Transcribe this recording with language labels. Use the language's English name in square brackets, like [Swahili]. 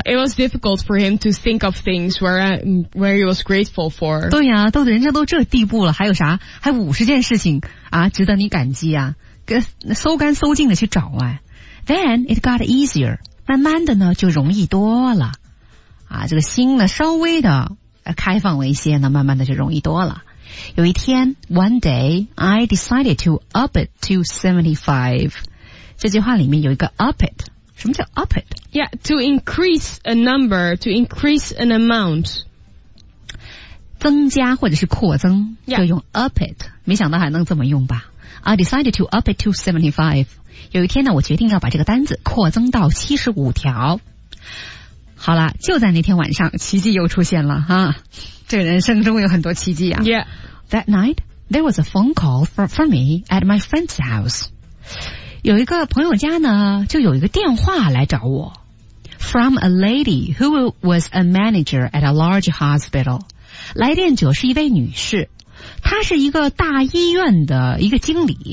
[English] It was difficult for him to think of things where he was grateful for. [Chinese] 对呀、啊、都人家都这地步了，还有啥，还50件事情啊值得你感激啊，跟搜干搜净的去找啊。 [English] Then it got easier. [Chinese] 慢慢的呢就容易多了。啊，这个心呢稍微的开放了一些呢，慢慢的就容易多了。有一天 ,one day, [English] I decided to up it to 75. [Chinese] 这句话里面有一个 up it. 什么叫 up it? [English] Yeah, to increase a number, to increase an amount. [Chinese] 增加或者是扩增、 [English] yeah. [Chinese] 就用 up it. 没想到还能这么用吧。 [English] I decided to up it to 75. [Chinese] 有一天呢，我决定要把这个单子扩增到75条。好了，就在那天晚上，奇迹又出现了哈、啊！这个人生中有很多奇迹啊。 [English] Yeah. That night, there was a phone call for me at my friend's house. [Chinese] 有一个朋友家呢，就有一个电话来找我。 [English] From a lady who was a manager at a large hospital. [Chinese] 来电者是一位女士。他是一个大医院的一个经理。